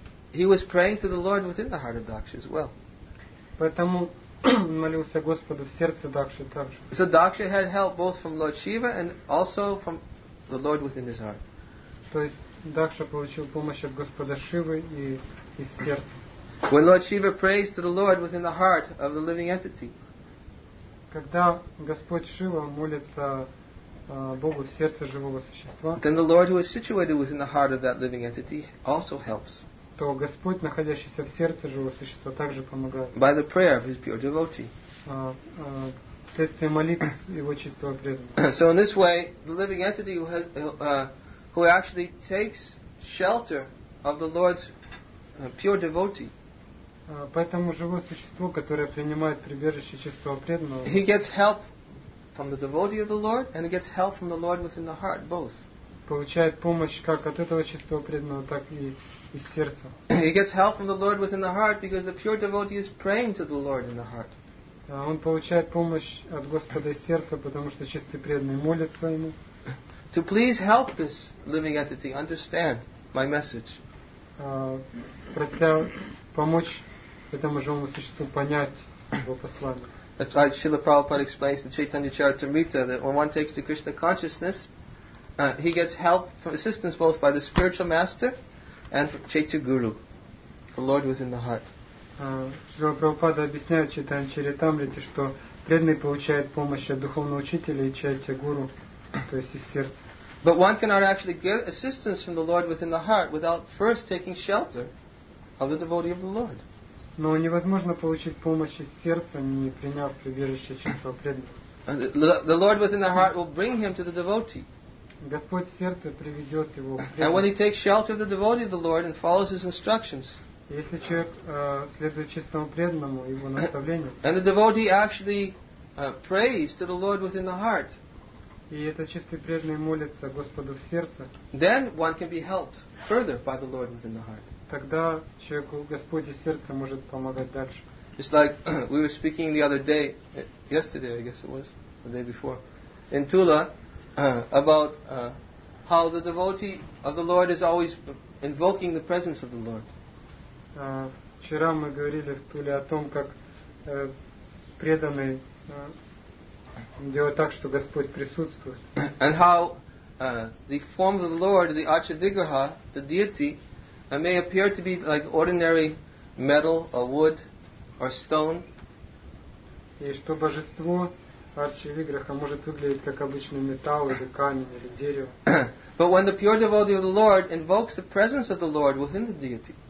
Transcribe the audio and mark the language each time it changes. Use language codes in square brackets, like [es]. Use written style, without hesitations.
[en] He was praying to the Lord within the heart of Dakshi as well. [ru] Поэтому молился Господу в сердце Дакши также. [en] So Dakshi had help both from Lord Shiva and also from the Lord within his heart. [ru] То есть Дакша получил помощь от Господа Шивы и из сердца. [en] When Lord Shiva prays to the Lord within the heart of the living entity. [ru] Когда Господь Шива молится Богу в сердце живого существа, [en] then the Lord, who is situated within the heart of that living entity, also helps. [ru] То Господь, находящийся в сердце живого существа, также помогает. [en] By the prayer of his pure devotee. [ru] Вследствие молитвы его чистого преданного. [en] So in this way, the living entity who actually takes shelter of the Lord's pure devotee. [ru] Поэтому живое существо, которое принимает прибежище чистого преданного, [en] he gets help from the devotee of the Lord, and he gets help from the Lord within the heart, both. [ru] Получает помощь как от этого чистого преданного, так и из сердца. [en] He gets help from the Lord within the heart because the pure devotee is praying to the Lord in the heart. [ru] Он получает помощь от Господа из сердца, потому что чистый преданный молится ему. [en] To please help this living entity understand my message. [ru] Прося помочь этому живому существу понять его послание. [en] That's why Srila Prabhupada explains in Chaitanya Charitamrita that when one takes the Krishna consciousness, he gets help from assistance both by the spiritual master and Chaitanya Guru, the Lord within the heart. [ru] Srila Prabhupada объясняет Chaitanya Charitamrita, что преданный получает помощь от духовного учителя и Chaitanya Guru, то есть из сердца. [en] But one cannot actually get assistance from the Lord within the heart without first taking shelter of the devotee of the Lord. [ru] Но невозможно получить помощь из сердца, не приняв прибежище чистого преданного. [en] The Lord within the heart will bring him to the devotee. [ru] Господь в сердце приведет его. [en] And when he takes shelter of the devotee of the Lord and follows his instructions. [ru] Если человек следует чистому преданному его наставлению. [en] And the devotee actually prays to the Lord within the heart. [ru] И этот чистый преданный молится Господу в сердце. [en] Then one can be helped further by the Lord within the heart. [ru] Тогда человеку Господь из сердца может помогать дальше. [en] It's like we were speaking the other day, yesterday I guess it was, the day before, in Tula, about how the devotee of the Lord is always invoking the presence of the Lord. [ru] Вчера мы говорили в Туле о том, как преданный делает так, что Господь присутствует. [en] And how the form of the Lord, the Archivigraha, the deity, it may appear to be like ordinary metal or wood or stone. [ru] И что божество Арчи-Виграха может выглядеть как обычный металл или камень или дерево. [en] But when the pure devotee of the Lord invokes the presence of the Lord within the deity.